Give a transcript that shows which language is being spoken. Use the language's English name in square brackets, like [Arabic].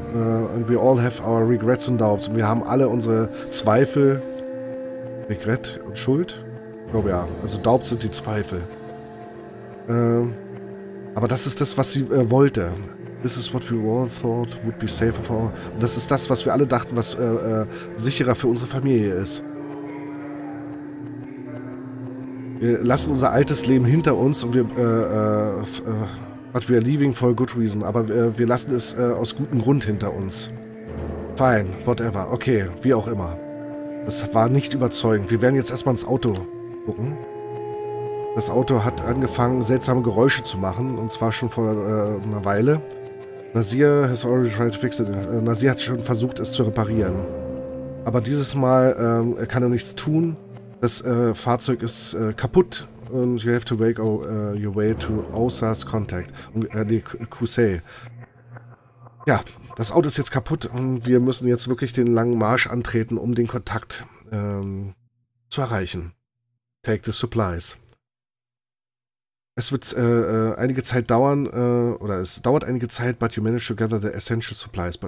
[English] And we all have our regrets and doubts. [German] Wir haben alle unsere Zweifel. Regret und Schuld? Ich glaube ja. Also Doubts sind die Zweifel. Aber das ist das, was sie wollte. [English] This is what we all thought would be safer for. [German] Und das ist das, was wir alle dachten, was sicherer für unsere Familie ist. Wir lassen unser altes Leben hinter uns und wir. [English] But we are leaving for a good reason. [German] Aber wir lassen es aus gutem Grund hinter uns. [English] Fine, whatever. [German] Okay, wie auch immer. Das war nicht überzeugend. Wir werden jetzt erstmal ins Auto gucken. Das Auto hat angefangen, seltsame Geräusche zu machen, und zwar schon vor einer Weile. [English] Nasir has already tried to fix it. [German] Nasir hat schon versucht, es zu reparieren. Aber dieses Mal kann er nichts tun. Das Fahrzeug ist kaputt. [English] Und you have to make your way to Osa's contact. Kusei. [German] Ja, das Auto ist jetzt kaputt und wir müssen jetzt wirklich den langen Marsch antreten, um den Kontakt zu erreichen. [English] Take the supplies. [German] Es wird einige Zeit dauern, oder es dauert einige Zeit, [English] but you manage to gather the essential supplies.